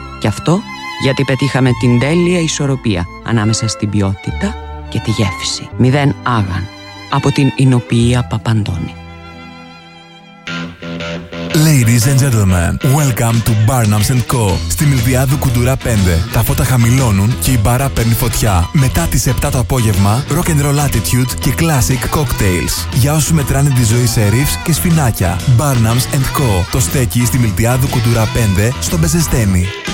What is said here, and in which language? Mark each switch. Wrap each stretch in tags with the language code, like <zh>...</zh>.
<el>Και αυτό γιατί πετύχαμε την τέλεια ισορροπία ανάμεσα στην ποιότητα και τη γεύση. Μηδέν άγαν. Από την Ινοποιία Παπαντώνη.</el> <en>Ladies and gentlemen, welcome to Barnum's & Co.</en> <el>Στη Μιλτιάδου Κουντούρα 5. Τα φώτα χαμηλώνουν και η μπάρα παίρνει φωτιά. Μετά τις 7 το απόγευμα,</el> <en>rock and roll attitude</en> <el>και</el> <en>classic cocktails.</en> <el>Για όσους μετράνε τη ζωή σε ρίφς και σπινάκια. Barnum's & Co. Το στέκει στη Μιλτιάδου Κουντούρα 5 στο Μπεζεσταίνη.</el>